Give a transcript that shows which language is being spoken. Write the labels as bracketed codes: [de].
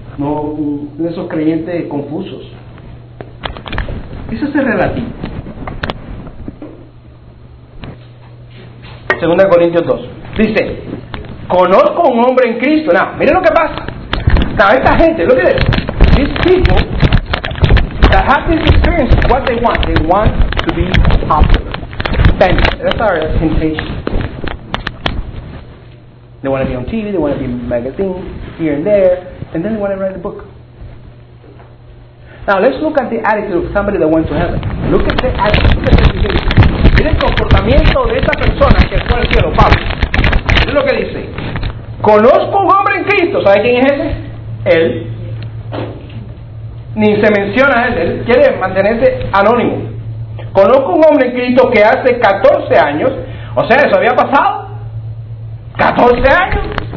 [es] No, de esos creyentes confusos. Eso es el relativo. 2 Corintios 2 dice: conozco a un hombre en Cristo. Nah, miren lo que pasa. Nah, esta gente, [en] look at this. These people that have this experience, what they want to be popular. Then, that's our temptation. They want to be on TV, they want to be in magazines, here and there. And then they want to write a book. Now let's look at the attitude of somebody that went to heaven. Look at the attitude. [es] Mira el comportamiento de esta persona que fue al cielo, Pablo. Mira lo que dice. Conozco un hombre en Cristo. ¿Sabe quién es ese? Él. Ni se menciona a él. Él quiere mantenerse anónimo. Conozco un hombre en Cristo que hace 14 años. O sea, eso había pasado. 14 años.